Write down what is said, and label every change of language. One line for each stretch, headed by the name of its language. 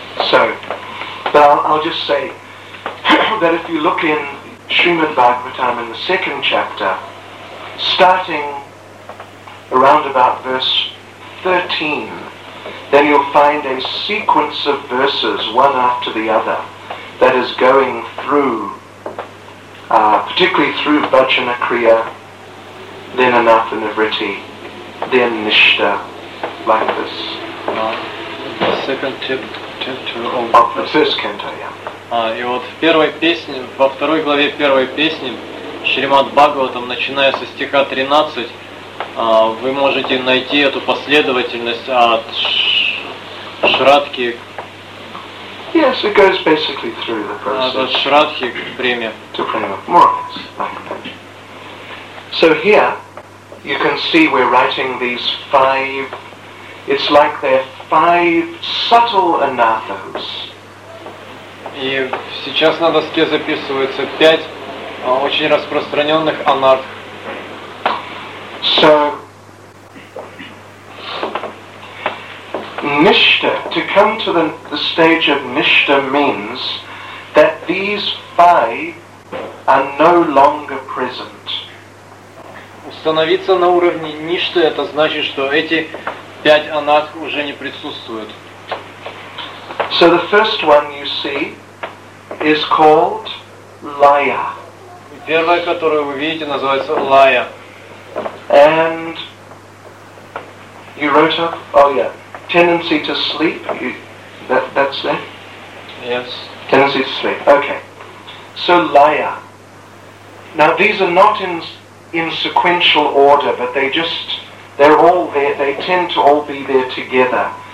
English: So, but I'll just say that if you look in Srimad Bhagavatam in the second chapter, starting around about verse 13, then you'll find a sequence of verses, one after the other, that is going through, particularly through Bhajana Kriya, then Anatha Nivritti, then Nishta, like this. Second chapter of the first canto, yeah.
Russian: И вот в первой песне, во второй главе первой песни, Шримад Бхагаватам, начиная со стиха 13, вы можете найти эту последовательность от Шрадхи.
English: Yes, it goes basically through the process.
Russian: От Шрадхи к Преме.
English: To Prema, more or less, like that. So here, you can see we're writing these five. It's like they're five subtle anathas.
Russian: И сейчас на доске записывается пять очень распространенных анарх.
English: So, nishta, to come to the stage of nishta means that these five are no longer present.
Russian: Установиться на уровне ништы, это значит, что эти пять анарх уже не присутствуют.
English: So the first one you see is called Laya.
Russian: Первая, которую вы видите, называется Laya.
English: And you wrote up, oh yeah, tendency to sleep. That's there. Yes. Tendency to sleep. Okay. So Laya. Now these are not in sequential order, but they're all there, they tend to all be there together.